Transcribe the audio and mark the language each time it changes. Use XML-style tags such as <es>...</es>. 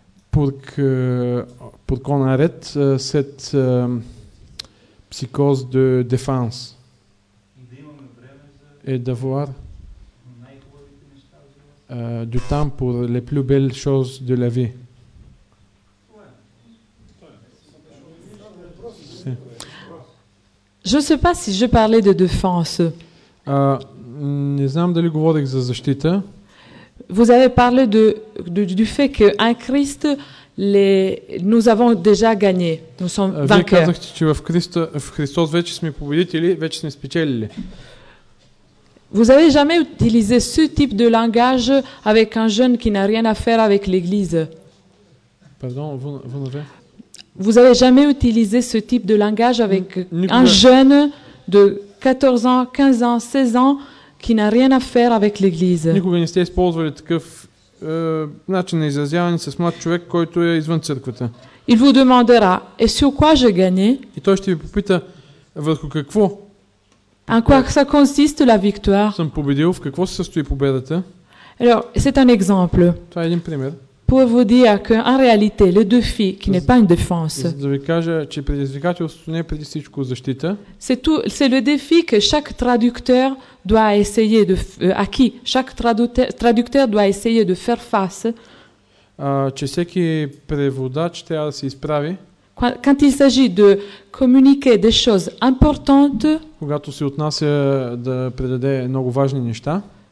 <fr>Pour qu'on arrête cette psychose de défense et d'avoir du temps pour les plus belles choses de la vie. Je ne sais pas si je parlais de défense.</fr> <bg>Не знам дали говорих за защита.</bg> <fr>Vous avez parlé du fait que en Christ nous avons déjà gagné. Nous sommes vainqueurs.</fr> <bg>Вие казахте, че в Христос вече сме победители, вече сме спечелили.</bg> <fr>Vous avez jamais utilisé ce type de langage avec un jeune qui n'a rien à faire avec l'église. Pardon, vous n'avez? Vous avez jamais utilisé ce type de langage avec un jeune de 14 ans, 15 ans, 16 ans qui n'a rien à faire avec l'église.</fr> <bg>Никога не сте използвали такъв начин на изразяване с млад човек, който е извън църквата.</bg> <fr>Il vous demandera: "Et sur quoi j'ai gagné?"</fr> <bg>И той ще ви попита: "Върху какво?"</bg> <fr>En quoi ça consiste la victoire?</fr> <bg>Съм победил, в какво се състои победата?</bg> <fr>Alors, c'est un exemple.</fr> <bg>Това е един пример.</bg> <fr>Pour vous dire qu'en réalité, le défi qui n'est pas une défense.</fr> <bg>Да ви кажа, че предизвикателството не е преди всичко защита.</bg> <fr>C'est le défi que chaque traducteur doit essayer de à qui chaque traducteur doit essayer de faire face.</fr> <bg>Че всеки преводач трябва да се изправи.</bg> <fr>Quand il s'agit de communiquer des choses importantes.</fr> <bg>Когато се отнася да предаде много важни неща.</bg>